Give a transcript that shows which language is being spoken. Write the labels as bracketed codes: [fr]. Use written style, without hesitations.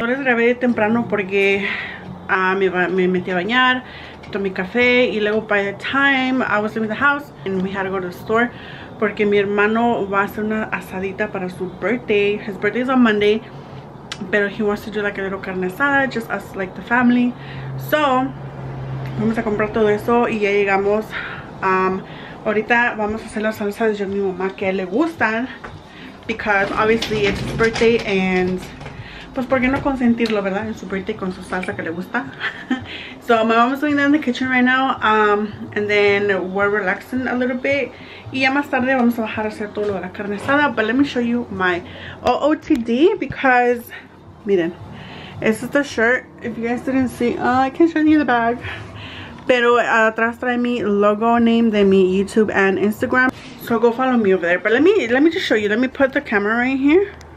[es] No les grabé temprano porque me metí a bañar. Tomé café. Y luego, [en] by the time, I was leaving the house. And we had to go to the store. [es] Porque mi hermano va a hacer una asadita para su birthday. [en] His birthday is on Monday. Pero he wants to do like a little carne asada. Just us, like the family. [es] So, vamos a comprar todo eso. Y ya llegamos. Ahorita vamos a hacer las salsas de mi mamá que le gustan. [en] Because obviously it's his birthday. [es] And, pues, ¿por qué no consentirlo, verdad? En su birthday con su salsa que le gusta. [en] So, my mom's going down in the kitchen right now. And then we're relaxing a little bit. [es] Y ya más tarde vamos a bajar a hacer todo lo de la carne asada. [en] But let me show you my OOTD because, miren, this is the shirt. If you guys didn't see, I can show you the bag. [es] Pero atrás trae mi logo name de mi YouTube [en] and Instagram. So go follow me over there. But let me just show you. Let me put the camera right here.